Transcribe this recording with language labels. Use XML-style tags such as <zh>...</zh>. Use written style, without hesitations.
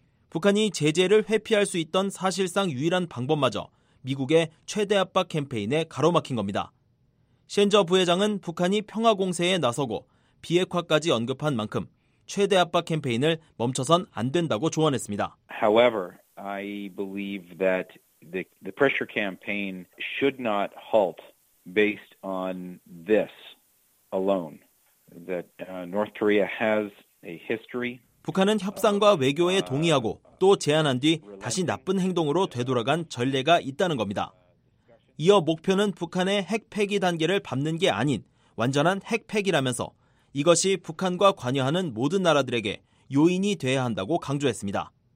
<ko>북한이 제재를 회피할 수 있던 사실상 유일한 방법마저 미국의 최대 압박 캠페인에 가로막힌 겁니다. 셴저 부회장은 북한이 평화 공세에 나서고 비핵화까지 언급한 만큼 최대 압박 캠페인을 멈춰선 안 된다고 조언했습니다.</ko> <en>However, I believe that the pressure campaign should not halt based on this alone. That North Korea has a history.</en> <ko>북한은 협상과 외교에 동의하고 또 제안한 뒤 다시 나쁜 행동으로 되돌아간 전례가 있다는 겁니다. 이어 목표는 북한의 핵 폐기 단계를 밟는 게 아닌 완전한 핵 폐기라면서 이것이 북한과 관여하는 모든 나라들에게 요인이 돼야 한다고 강조했습니다.</ko>